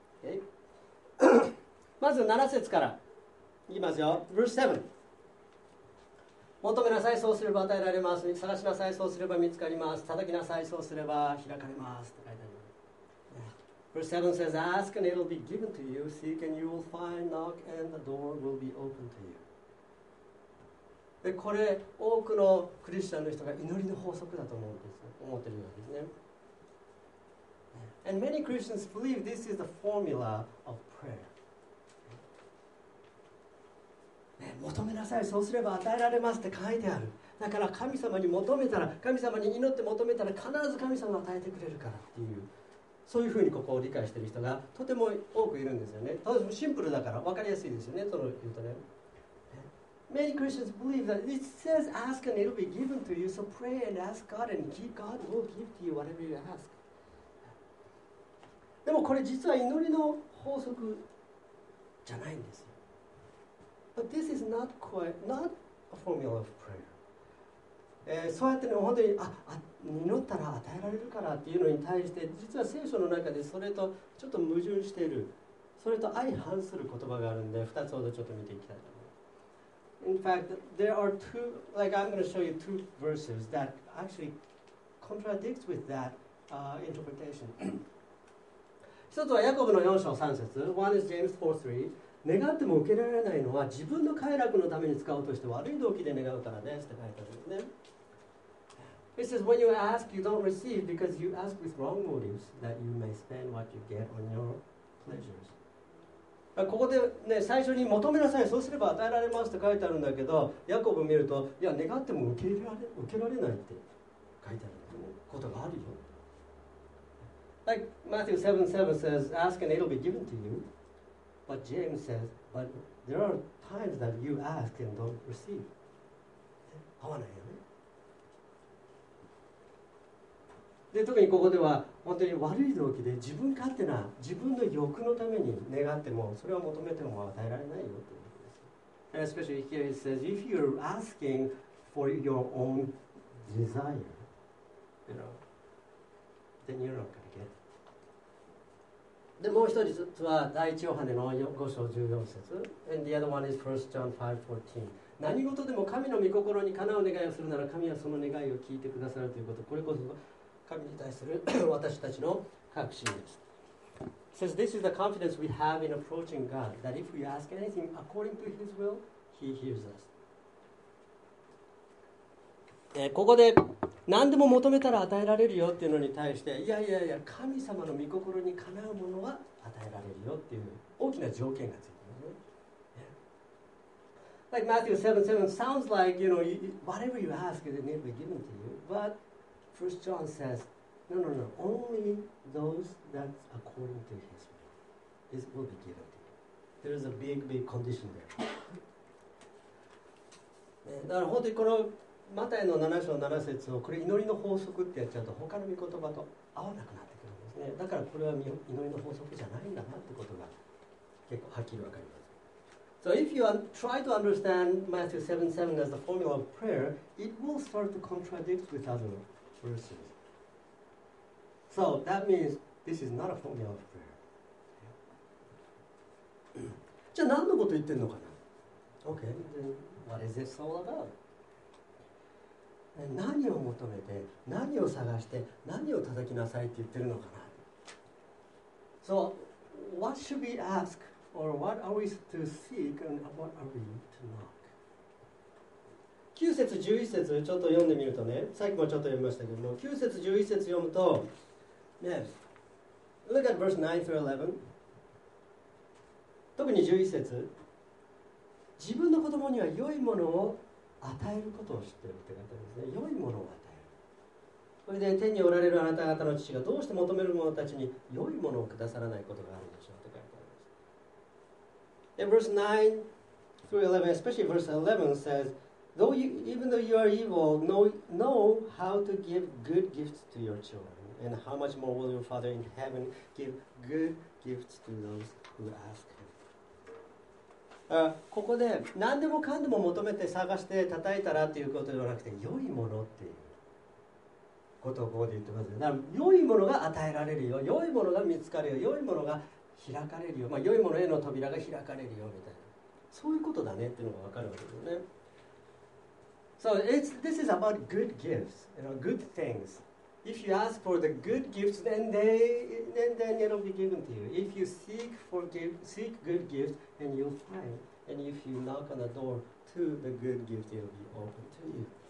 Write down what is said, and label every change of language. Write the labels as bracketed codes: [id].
[en] Okay? [ja] まず7節からいきますよ。 [en] Verse 7. [ja] 求めなさい、そうすれば与えられます。探しなさい、そうすれば見つかります。叩きなさい、そうすれば開かれます。と書いてあります。 [en] Verse 7 says, Ask and it will be given to you, seek and you will find, knock and the door will be opened to you. [ja] で、これ多くのクリスチャンの人が祈りの法則だと思うんです、思ってるようですね。 [en] And many Christians believe this is the formula of prayer. [ja] ね、求めなさい、そうすれば与えられますって書いてある。だから神様に求めたら、神様に祈って求めたら必ず神様が与えてくれるからっていう。そういうふうにここを理解している人がとても多くいるんですよね。とてもシンプルだから分かりやすいですよね。その言うとね。 [en] Many Christians believe that it says ask and it'll be given to you. So pray and ask God and keep God will give to you whatever you ask. [ja] でもこれ実は祈りの法則じゃないんですよ。 [en] But this is not quite, not a formula of prayer. [ja] そうやってね、本当に祈ったら与えられるからっていうのに対して、実は聖書の中でそれとちょっと矛盾している、それと相反する言葉があるんで、2つほどちょっと見ていきたいと思います。 [en] In fact, there are two, like I'm going to show you two verses that actually contradict with that interpretation. [ja] 一つはヤコブの4章3節、 [en] One is James 4:3 [ja] 願っても受けられないのは自分の快楽のために使おうとして悪い動機で願うからですって書いてあるんですね。 [en] It says, when you ask, you don't receive because you ask with wrong motives that you may spend what you get on your pleasures. [ja] ここでね、最初に求めなさい、そうすれば与えられますって書いてあるんだけど、ヤコブ見ると、いや、願っても受けられないって書いてあることがあるよ。 [en] Like Matthew 7:7 says, ask and it'll be given to you. But James says, but there are times that you ask and don't receive. [ja] 合わないよね。で、特にここでは本当に悪い動機で自分勝手な自分の欲のために願ってもそれを求めても与えられないよってことです。 [en] And especially here it says, if you're asking for your own desire, you know, then you're not gonna get it. [ja] でもう一つは第一ヨハネの5章14節。 [en] And the other one is 1 John 5:14. [ja] 何事でも神の御心にかなう願いをするなら神はその願いを聞いてくださるということ。これこそ神に対する私たちの確信です。 [en] Says this is the confidence we have in approaching God, that if we ask anything according to His will, He hears us. [ja] ここで何でも求めたら与えられるよっていうのに対して、いやいやいや、神様の御心にかなうものは与えられるよっていう大きな条件がついてますね。 [en] Like Matthew 7:7 sounds like, you know, whatever you ask, it will be given to you. But 1 John says, no, no, no, only those that's according to his will is will be given to you. There is a big, big condition there. [ja] だから本当にこのマタイの7章7節をこれ祈りの法則ってやっちゃうと他の御言葉と合わなくなってくるんですね。だからこれは祈りの法則じゃないんだなってことが結構はっきりわかります。 [en] So if you try to understand Matthew 7:7 as the formula of prayer, it will start to contradict with other verses. So that means this is not a formula of prayer. [ja] じゃあ何のこと言ってるのかな。 [en] Okay, then what is this all about? [ja] 何を求めて、何を探して、何を叩きなさいって言ってるのかな。 [en] So, what should we ask, or what are we to seek, and what are we to knock? [ja] 9節11節ちょっと読んでみるとね、さっきもちょっと読みましたけども、9節11節読むと、ね、 [en] Look at verse 9 through 11. [ja] 特に11節、自分の子供には良いものを与えることを知っているって書いてあるんですね。良いものを与える。それで天におられるあなた方の父がどうして求める者たちに良いものをくださらないことがあるでしょうって書いてあります。 [en] Verse 9 through 11, especially verse 11 says, though you, even though you are evil, know how to give good gifts to your children, and how much more will your Father in heaven give good gifts to those who ask him. [ja] ここで何でもかんでも求めて探して叩いたらということではなくて、良いものっていうことをここで言ってますね。だから良いものが与えられるよ、良いものが見つかるよ、良いものが開かれるよ、まあ、良いものへの扉が開かれるよみたいな、そういうことだねっていうのが分かるわけですよね。 [en] So it's, this is about good gifts, you know, good things. If you ask for the good gifts, then it'll be given to you. If you seek good gifts,And you'll find. And if you knock on the door to the good gift, it'll be open to you.